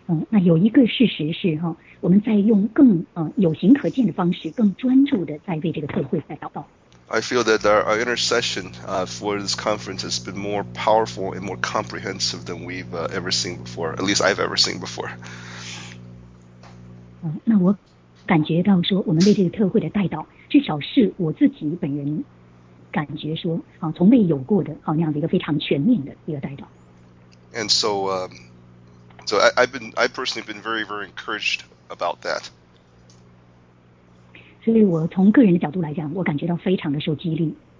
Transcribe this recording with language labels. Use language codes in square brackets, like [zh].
[zh] 那有一个事实是我们在用更有形可见的方式，更专注的在为这个特会在祷告。 [en] I feel that our intercession for this conference has been more powerful and more comprehensive than we've ever seen before. At least I've ever seen before. [zh] 那我感觉到说，我们为这个特会的代祷，至少是我自己本人感觉说啊，从未有过的啊那样的一个非常全面的一个带到。 [en] And so, I personally been very, very encouraged about that. [zh] 所以我从个人的角度来讲，我感觉到非常的受激励。